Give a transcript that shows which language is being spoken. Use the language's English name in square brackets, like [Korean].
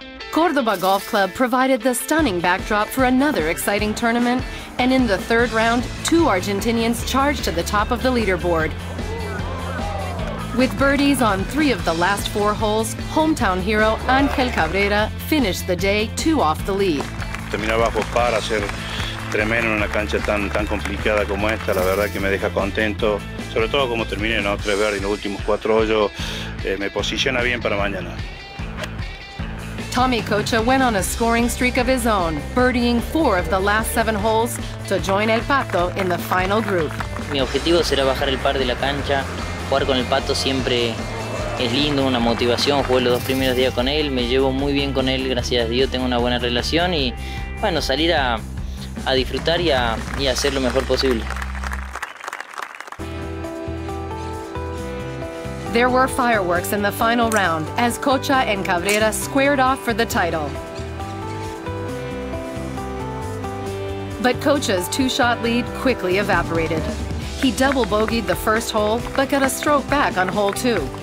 [English] Córdoba Golf Club provided the stunning backdrop for another exciting tournament, and in the third round, two Argentinians charged to the top of the leaderboard. With birdies on three of the last four holes, hometown hero Ángel Cabrera finished the day 2 off the lead. [Spanish] Terminar bajo par, hacer tremendo en una cancha tan complicada como esta, la verdad que me deja contento. Sobre todo como terminé, ¿no? 3 verdes en los últimos 4 hoyos, me posiciona bien para mañana. [English] Tommy Cocha went on a scoring streak of his own, birdieing 4 of the last 7 holes to join El Pato in the final group. [Spanish] Mi objetivo será bajar el par de la cancha, jugar con El Pato siempre es lindo, una motivación. Jugué los 2 primeros días con él, me llevo muy bien con él, gracias a Dios tengo una buena relación y bueno, salir a disfrutar y hacer lo mejor posible. [English] There were fireworks in the final round as Cocha and Cabrera squared off for the title. But Cocha's 2-shot lead quickly evaporated. He double bogeyed the first hole, but got a stroke back on hole two.